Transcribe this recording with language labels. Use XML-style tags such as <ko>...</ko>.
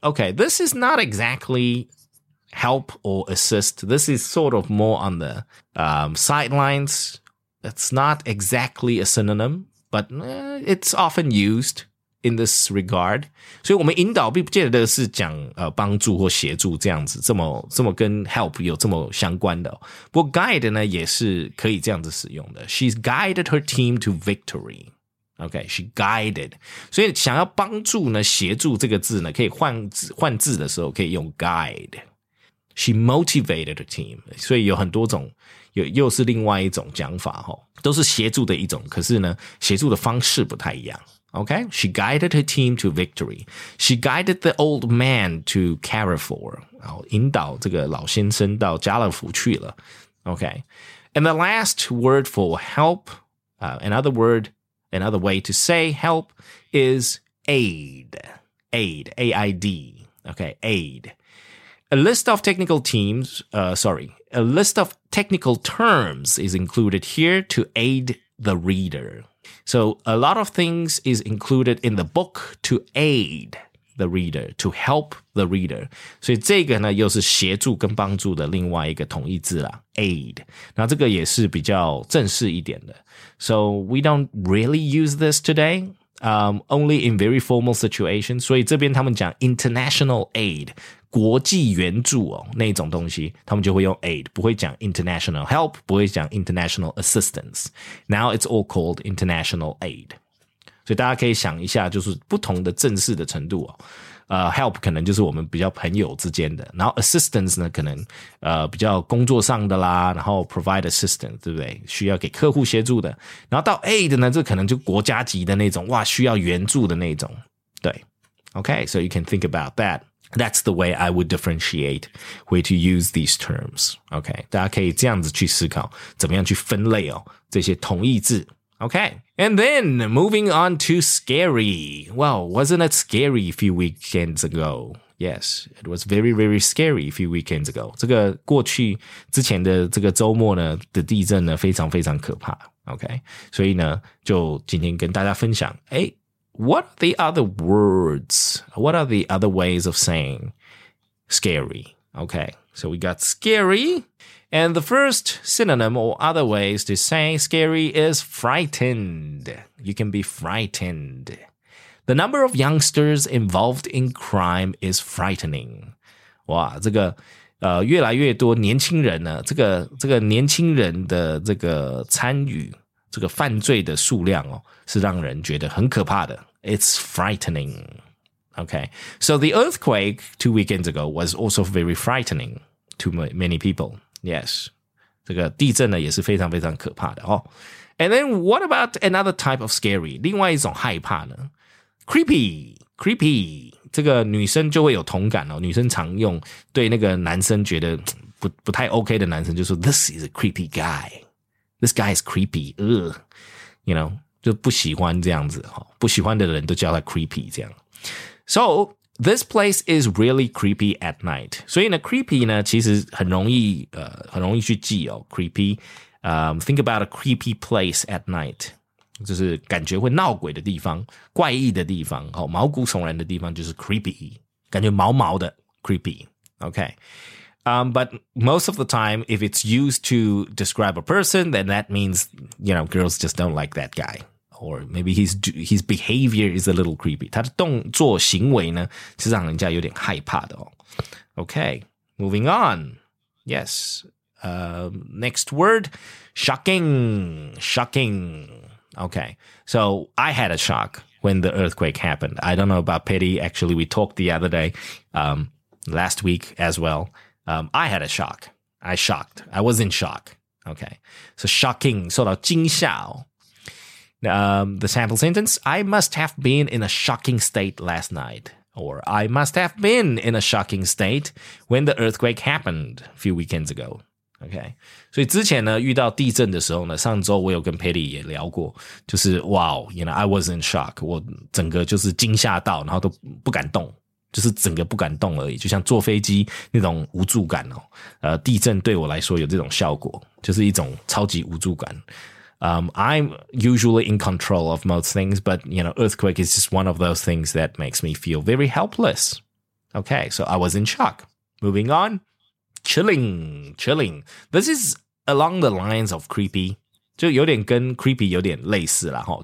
<en>Okay, this is not exactly help or assist. This is sort of more on the sidelines. It's not exactly a synonym, but it's often used in this regard.</en> <zh>所以我们引导并不见得是讲帮助或协助这样子，这么跟 help 有这么相关的。不过 guide 呢也是可以这样子使用的。</zh> <en>She's guided her team to victory. Okay, she guided.</en> <zh>所以想要帮助呢，协助这个字呢，可以换字的时候可以用 guide.</zh> <en>She motivated her team.</en> <zh>所以有很多种，又是另外一种讲法齁，都是协助的一种，可是呢，协助的方式不太一样。</zh> <en>Okay, she guided her team to victory. She guided the old man to Carrefour.</en> <zh>然后引导这个老先生到家乐福去了。</zh> <en>Okay, and the last word for help, another way to say help is aid, A-I-D, okay, aid. A list of technical terms is included here to aid the reader. So a lot of things is included in the book to aid the reader, to help the reader.</en> <zh>所以这个呢又是协助跟帮助的另外一个同义字啦 aid. 那这个也是比较正式一点的。</zh> <en>So we don't really use this today, only in very formal situations.</en> <zh>所以这边他们讲 international aid, 国际援助哦那种东西他们就会用 aid, 不会讲 international help, 不会讲 international assistance.</zh> <en>Now it's all called international aid.</en> <zh>所以大家可以想一下就是不同的正式的程度哦。 Help 可能就是我们比较朋友之间的，然后 assistance 呢，可能比较工作上的啦，然后 provide assistance 对不对？需要给客户协助的，然后到 aid 呢，这可能就国家级的那种，哇，需要援助的那种，对 ，</zh> <en>Okay, so you can think about that. That's the way I would differentiate way to use these terms.</en> <zh>Okay, 大家可以这样子去思考，怎么样去分类哦，这些同义字。</zh> <en>Okay, and then moving on to scary. Well, wasn't it scary a few weekends ago? Yes, it was very, very scary a few weekends ago.</en> <zh>这个过去之前的这个周末呢的地震呢非常非常可怕。 Okay, 所以呢就今天跟大家分享。诶,</zh> <en>what are the other words? What are the other ways of saying scary? Okay, so we got scary. And the first synonym or other ways to say scary is frightened. You can be frightened. The number of youngsters involved in crime is frightening.</en> <zh>哇，这个越来越多年轻人呢，这个年轻人的这个参与，这个犯罪的数量哦，是让人觉得很可怕的。</zh> <en>It's frightening. Okay. So the earthquake 2 weekends ago was also very frightening to many people.</en> <zh>Yes, 这个地震呢也是非常非常可怕的哦。</zh> <en>And then what about another type of scary?</en> <zh>另外一种害怕呢 ？Creepy, 这个女生就会有同感哦。女生常用对那个男生觉得不太 OK 的男生就说 ，</zh> <en>This is a creepy guy. This guy is creepy. You know,</en> <zh>就不喜欢这样子哈、哦，不喜欢的人都叫他 creepy 这样。So.</zh> <en>This place is really creepy at night.</en> <zh>所以呢 creepy 呢其实很容易去记哦 creepy.</zh> <en>Think about a creepy place at night.</en> <zh>就是感觉会闹鬼的地方怪异的地方、哦、毛骨悚然的地方就是 creepy. 感觉毛毛的 creepy. Okay.</zh> <en>But most of the time, if it's used to describe a person, then that means, you know, girls just don't like that guy. Or maybe his behavior is a little creepy.</en> <zh>他的动作行为呢是让人家有点害怕的哦。</zh> <en>Okay, moving on. Yes, next word, shocking. Okay, so I had a shock when the earthquake happened. I don't know about Petty. Actually, we talked the other day, last week as well. I had a shock. I was in shock. Okay, so shocking,</en> <zh>受到惊吓哦。</zh> <en>The sample sentence, I must have been in a shocking state last night, or I must have been in a shocking state when the earthquake happened a few weekends ago.</en> <zh>OK， 所以之前呢遇到地震的时候呢，上周我有跟 Patty 也聊过，就是</zh> <en>Wow， you know I was in shock，</en> <zh>我整个就是惊吓到，然后都不敢动，就是整个不敢动而已，就像坐飞机那种无助感哦。地震对我来说有这种效果，就是一种超级无助感。</zh> <en>I'm usually in control of most things, but you know, earthquake is just one of those things that makes me feel very helpless. Okay, so I was in shock. Moving on. Chilling. This is along the lines of creepy.</en> <zh>就有点跟 creepy 有点类似啦齁。</zh>